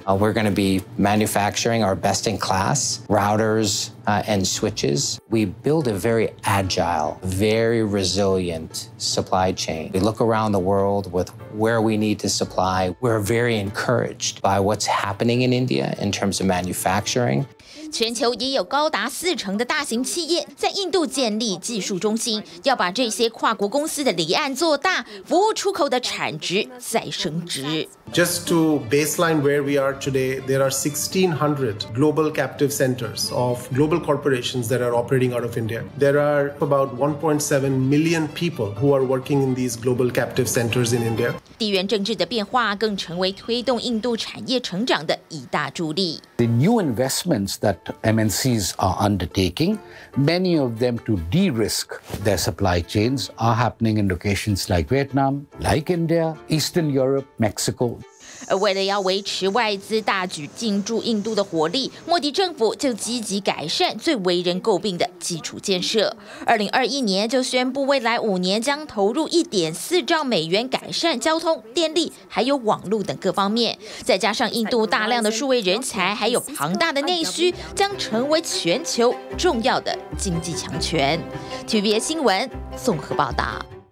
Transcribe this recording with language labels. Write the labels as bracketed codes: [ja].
[en] We're going to be manufacturing our best-in-class routers and switches. We build a very agile, very resilient supply chain. We look around the world with where we need to supply. We're very encouraged by what's happening in India in terms of manufacturing. [zh] 全球也有高达四成的大型企业在印度建立技术中心，要把这些跨国公司的离岸做大，服务出口的产值再升值。 [en] Just to baseline where we are today, there are 1,600 global captive centers of global corporations that are operating out of India. There are about 1.7 million people who are working in these global captive centers in India. [zh] 地缘政治的变化更成为推动印度产业成长的一大助力。 [en] The new investments that MNCs are undertaking, many of them to de-risk their supply chains, are happening in locations like Vietnam, like India, Eastern Europe, Mexico. [zh] 而为了要维持外资大举进驻印度的活力，莫迪政府就积极改善最为人诟病的基础建设。 2021年就宣布未来五年将投入 1.4 兆美元改善交通、电力还有网络等各方面，再加上印度大量的数位人才还有庞大的内需，将成为全球重要的经济强权。 TVBS 新闻综合报道。